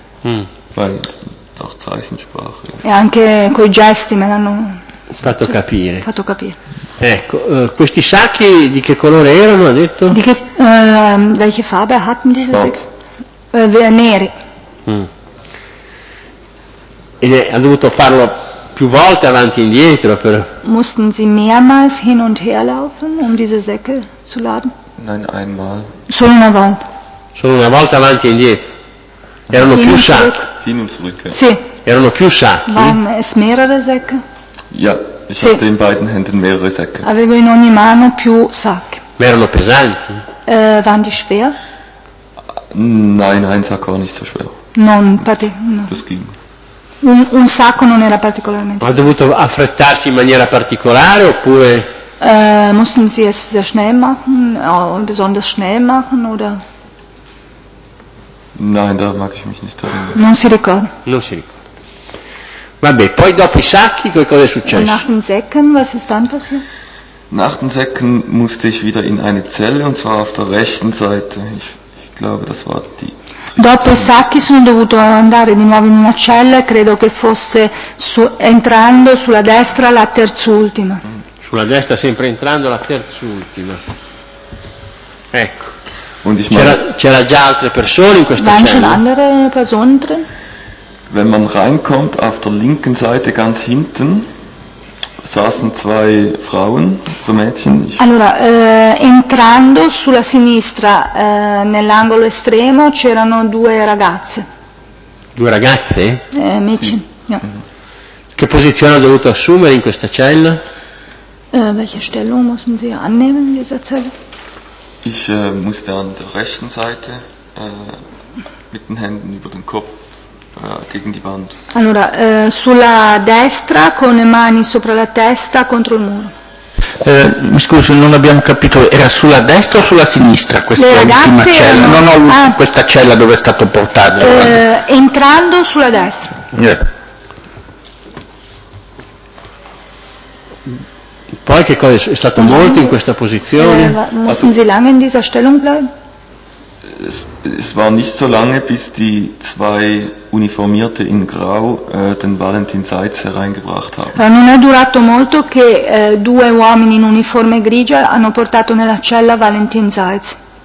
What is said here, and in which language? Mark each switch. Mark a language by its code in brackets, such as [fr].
[de] Weil auch Zeichensprache. [it] E anche coi gesti me l'hanno fatto capire. Ecco, questi sacchi di che colore erano, ha detto? Di che [de] welche Farbe hatten diese Säcke? [it] Neri. Ha dovuto farlo più volte avanti e indietro per. [de] Mussten Sie mehrmals hin und her laufen, um diese Säcke zu laden? Nein, einmal. [it] Solo una volta. Solo una volta avanti e indietro. Erano [de] hin [it] più sacchi. [de] Hin und zurück. [it] Sì. Erano più sacchi. [de] Waren es mehrere Säcke? Ja, ich hatte in beiden Händen mehrere Säcke. [it] Avevo in ogni mano più sacchi. Ma erano pesanti? [de] Waren die schwer? Nein, ein Sack war nicht so schwer. [it] Non, no. [de] Das ging. [it] Un sacco non era particolarmente. Ha dovuto affrettarsi in maniera particolare oppure? [de] Mussten sie es sehr schnell machen, besonders schnell machen oder? Nein, da mag ich mich nicht erinnern. [it] Non si ricorda. Non si ricorda. Vabbè, poi dopo i sacchi, che cosa è successo? [de] Nach den Säcken, was ist dann passiert? Nach den Säcken musste ich wieder in eine Zelle, und zwar auf der rechten Seite. Ich glaube, das war die. [it] Dopo i sacchi sono dovuto andare di nuovo in una cella, credo che fosse entrando sulla destra la terz'ultima. Sulla destra sempre entrando la terz'ultima. Ecco. [de] Und ich [it] c'era già altre persone in questa cella? [de] Waren schon andere Personen drin? Wenn man reinkommt, auf der linken Seite ganz hinten, saßen zwei Frauen, so Mädchen. [it] Allora, entrando sulla sinistra, nell'angolo estremo, c'erano due ragazze. Due ragazze? [de] Mädchen, [it] sì. [de] Ja. [it] Che posizione ha dovuto assumere in questa cella? [de] Welche Stellung mussten Sie annehmen in dieser Zelle? Ich musste an der rechten Seite, mit den Händen über den Kopf. Gegen die Wand. [it] Allora, sulla destra con le mani sopra la testa contro il muro. Mi scusi, non abbiamo capito, era sulla destra o sulla sinistra questa ultima cella? Erano... No, questa cella dove è stato portato. Entrando sulla destra. Poi che cosa è stato molto in questa posizione? [de] Mussten Sie lange in dieser Stellung bleiben? Es war nicht so lange, bis die zwei Uniformierte in Grau den Valentin Seitz hereingebracht haben. [it] Non è durato molto che due uomini in uniforme grigia hanno portato nella cella Valentin Seitz.